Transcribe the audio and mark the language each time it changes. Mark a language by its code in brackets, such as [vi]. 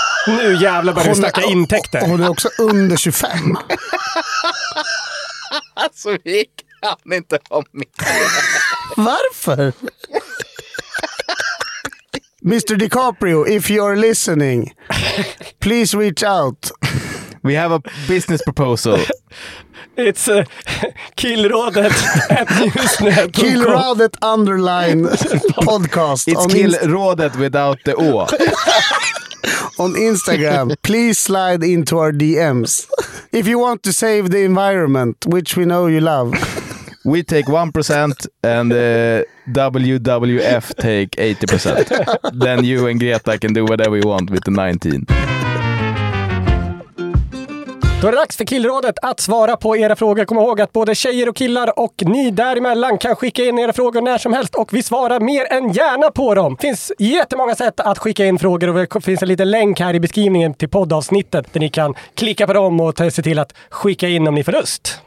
[sv] Nu jävlar börjar du snacka intäkter. Hon är också under 25. Alltså vi kan inte ha mer. Varför? [en] Mr. DiCaprio, if you're listening, please reach out. We have a business proposal. It's killrådet @newsnet.com. Killrådet _ podcast. It's killrådet without the O. On Instagram, please slide into our DMs. If you want to save the environment, which we know you love. We take 1% and WWF take 80%. Then you and Greta can do whatever you want with the 19. [sv] Då är det dags för killrådet att svara på era frågor. Kom ihåg att både tjejer och killar och ni däremellan kan skicka in era frågor när som helst, och vi svarar mer än gärna på dem. Det finns jättemånga sätt att skicka in frågor, och det finns en liten länk här i beskrivningen till poddavsnittet där ni kan klicka på dem och se till att skicka in om ni får lust.